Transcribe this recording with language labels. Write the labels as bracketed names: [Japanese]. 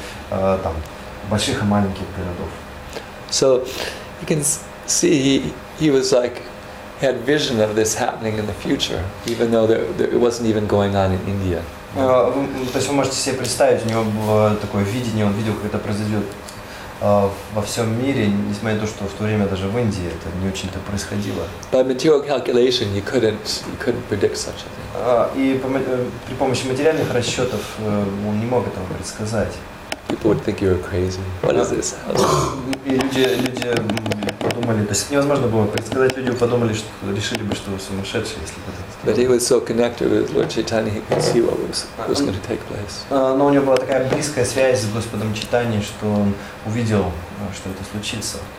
[Russian] Там больших и маленьких городов. [English] So you can see he was like he had vision of this happening in the future, even though it wasn't even going on in India. [Russian] То есть вы можете себе представить, у него было такое видение, он видел, как это произойдет во всем мире, несмотря на то, что в то время даже в Индии это не очень-то происходило. [English] By material calculation, you couldn't predict such a thing. [Russian] И при помощи материальных расчетов он не мог этого предсказать. [English] People would think you were crazy. What is this? [Russian] И люди подумали, то есть невозможно было предсказать, люди подумали, что решили бы, что вы сумасшедшие, если бы это сделали. [English] But he was so connected with Lord Chaitanya, he could see what was going to take place. [Russian] Но у него была такая близкая связь с Господом Чайтаньей, что он увидел, что это случится.